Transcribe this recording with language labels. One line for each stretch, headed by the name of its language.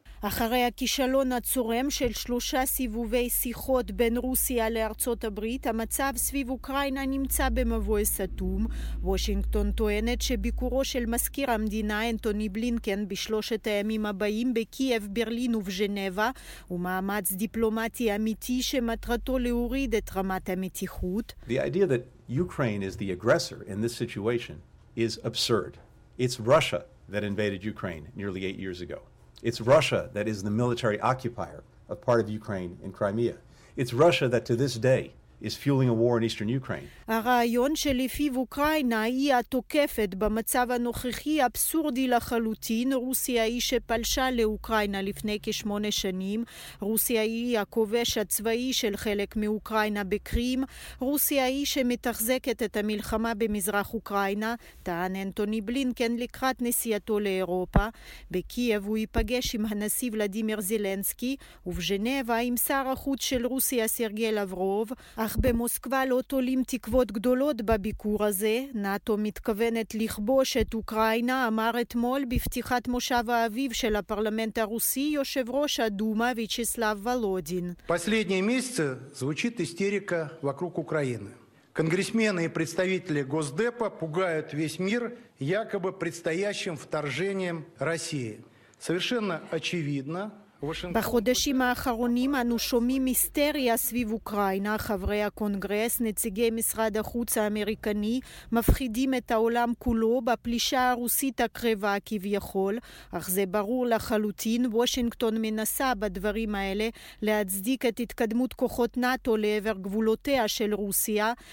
Hebrew: אחרי הכישלון הצורם של שלושה סיבובי שיחות בין רוסיה לארצות הברית, המצב סביב אוקראינה נמצא במבוי סתום. וושינגטון טוענת שביקורו של מזכיר המדינה אנטוני בלינקן בשלושת הימים הבאים בקייב, ברלין ובז'נבה הוא מאמץ דיפלומטי אמיתי שמטרתו להוריד את רמת המתיחות.
English: The idea that Ukraine is the aggressor in this situation is absurd. It's Russia that invaded Ukraine nearly 8 years ago. It's Russia that is the military occupier of part of Ukraine in Crimea. It's Russia that to this day is fueling a war in eastern Ukraine.
Hebrew: הרעיון שלפיו אוקראינה היא התוקפת במצב הנוכחי אבסורדי לחלוטין. רוסיה היא שפלשה לאוקראינה לפני כ8 שנים. רוסיה היא הכובש הצבאי של חלק מאוקראינה בקרים. רוסיה היא שמתחזקת את המלחמה במזרח אוקראינה, טען אנטוני בלינקן לקראת נסיעתו לאירופה. בקייב הוא ייפגש עם הנשיא ולדימיר זלנסקי, ובז'נבה עם שר החוץ של רוסיה סרגיי לברוב. אך במוסקבה לא תולים תקוות גדולות בביקור הזה. נאטו מתכוונת לכבוש את אוקראינה, אמר אתמול בפתיחת מושב האביב של הפרלמנט הרוסי יושב ראש הדומה ויצ'סלב ולודין.
Russian: Последнее месяце звучит истерика вокруг Украины. Конгрессмены и представители Госдепа пугают весь мир якобы предстоящим вторжением России. Совершенно очевидно,
Hebrew: בחודשים האחרונים אנו שומעים היסטריה סביב אוקראינה. חברי הקונגרס, נציגי משרד החוץ האמריקני, מפחידים את העולם כולו בפלישה הרוסית הקרבה כביכול. אך זה ברור לחלוטין, וושינגטון מנסה בדברים האלה להצדיק את התקדמות כוחות נאטו לעבר גבולותיה של רוסיה.